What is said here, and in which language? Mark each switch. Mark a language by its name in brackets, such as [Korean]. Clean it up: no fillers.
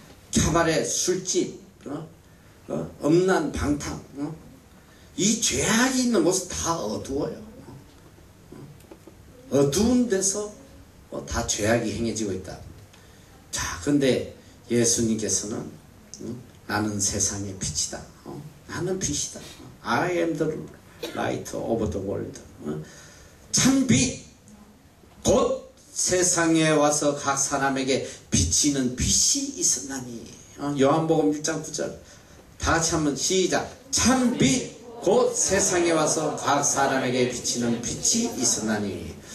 [Korean] 캬바레 술집, 음란 방탕. 이 죄악이 있는 곳은 다 어두워요. 어두운 데서 다 죄악이 행해지고 있다. 자, 근데 예수님께서는 나는 세상의 빛이다. 나는 빛이다. [English] I am the light of the world. [Korean] 참 빛. 곧 세상에 와서 각 사람에게 비치는 빛이 있었나니. 요한복음 1장 9절. 다 같이 한번 시작. 참 빛. 곧 세상에 와서 각 사람에게 비치는 빛이 있었나니.